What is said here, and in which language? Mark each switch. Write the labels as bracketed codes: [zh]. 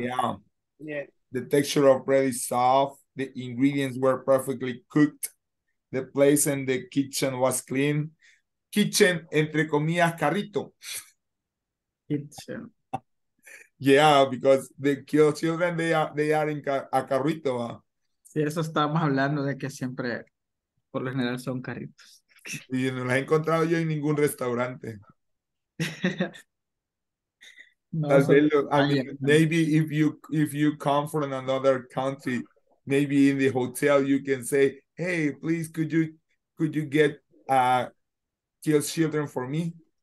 [en] Yeah. The texture of bread is soft. The ingredients were perfectly cooked. The place in the kitchen was clean. [es] Kitchen, entre comillas, carrito. [en] Kitchen. Yeah, because the children, they are in a carrito. [es] Sí, eso estábamos hablando de que siempre, por lo general, son carritos. Y no las he encontrado yo en ningún restaurante. [en] No, maybe if you come from another country, maybe in the hotel you can say, hey, please, could you get kill children for me?